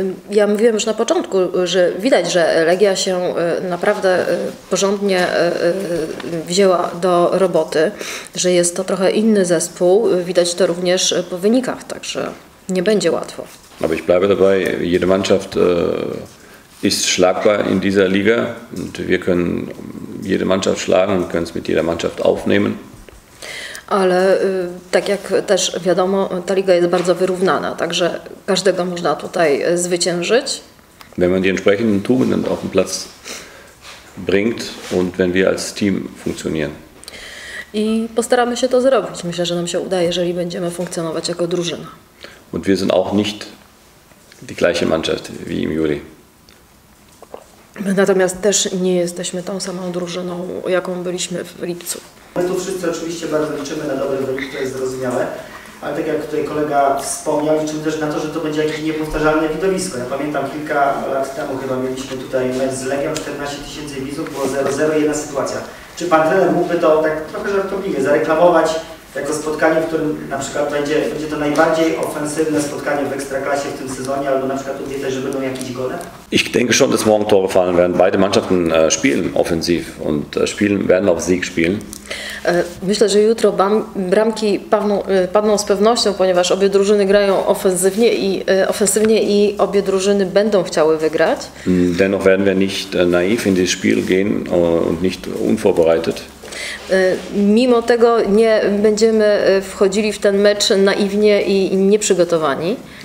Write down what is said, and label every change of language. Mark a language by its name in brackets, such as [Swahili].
[Polish] Ja mówiłem już na początku, że widać, że Legia się naprawdę porządnie wzięła do roboty, że jest to trochę inny zespół, widać to również po wynikach, także nie będzie łatwo. [German] Aber ich bleibe dabei, jede Mannschaft ist schlagbar in dieser Liga und wir können jede Mannschaft schlagen und können es mit jeder Mannschaft aufnehmen. [Polish] Ale tak jak też wiadomo, ta liga jest bardzo wyrównana, także każdego można tutaj zwyciężyć. [German] Wenn man die entsprechenden Tugenden auf den Platz bringt und wenn wir als Team funktionieren. [Polish] I postaramy się to zrobić. Myślę, że nam się uda, jeżeli będziemy funkcjonować jako drużyna. [German] Und wir sind auch nicht die gleiche Mannschaft wie im Juli. [Polish] My natomiast też nie jesteśmy tą samą drużyną, jaką byliśmy w lipcu. My tu wszyscy oczywiście bardzo liczymy na dobry wynik, to jest zrozumiałe, ale tak jak tutaj kolega wspomniał, liczymy też na to, że to będzie jakieś niepowtarzalne widowisko. Ja pamiętam kilka lat temu chyba mieliśmy tutaj mecz z Legią, 14 tysięcy widzów, było 0-0 i jedna sytuacja. Czy pan trener mógłby to tak trochę żartobliwie zareklamować jako spotkanie, w którym na przykład będzie to najbardziej ofensywne spotkanie w Ekstraklasie w tym sezonie, albo na przykład tutaj też będą jakieś gole? [German] Ich denke schon, dass morgen Tore fallen werden. Beide Mannschaften spielen offensiv und spielen werden auf Sieg spielen. [Polish] Myślę, że jutro bramki padną z pewnością, ponieważ obie drużyny grają ofensywnie i obie drużyny będą chciały wygrać. [German] Dennoch werden wir nicht naiv in dieses Spiel gehen und nicht unvorbereitet. [Polish] Mimo tego nie będziemy wchodzili w ten mecz naiwnie i nieprzygotowani.